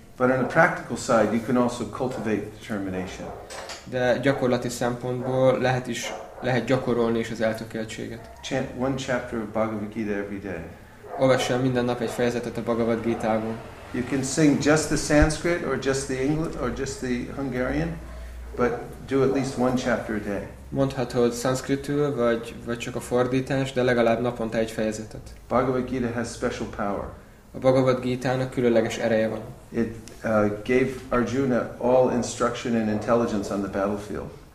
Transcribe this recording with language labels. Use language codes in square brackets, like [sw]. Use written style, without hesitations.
[en] But on the practical side, you can also cultivate determination. [hu] De gyakorlati szempontból lehet gyakorolni is az eltökéltséget. [en] Chant one chapter of Bhagavad Gita every day. [hu] Olvass el minden nap egy fejezetet a Bhagavad Gita-ból. [en] You can sing just the Sanskrit or just the English or just the Hungarian, but do at least one chapter a day. [hu] Mondhatod szanszkritul, vagy csak a fordítás, de legalább naponta egy fejezetet. [en] Bhagavad Gita has special power. [hu] A Bhagavad Gita-nak különleges ereje van. [en] It gave Arjuna all instruction and intelligence on the battlefield.